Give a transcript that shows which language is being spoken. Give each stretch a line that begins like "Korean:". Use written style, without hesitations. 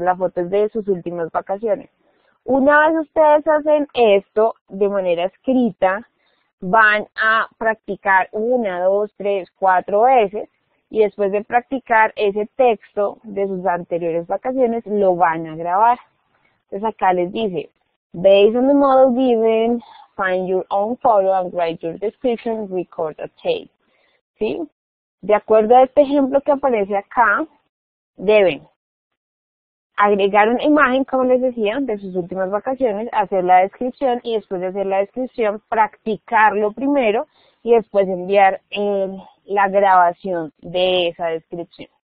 Spanish: La foto es de sus últimas vacaciones. Una vez ustedes hacen esto de manera escrita, van a practicar una, dos, tres, cuatro veces y después de practicar ese texto de sus anteriores vacaciones, lo van a grabar. Entonces acá les dice,
English: based on the model given, find your own photo and write your description, record a tape.
Spanish: ¿Sí? De acuerdo a este ejemplo que aparece acá, deben agregar una imagen, como les decía, de sus últimas vacaciones, hacer la descripción y después de hacer la descripción, practicarlo primero y después enviar la grabación de esa descripción.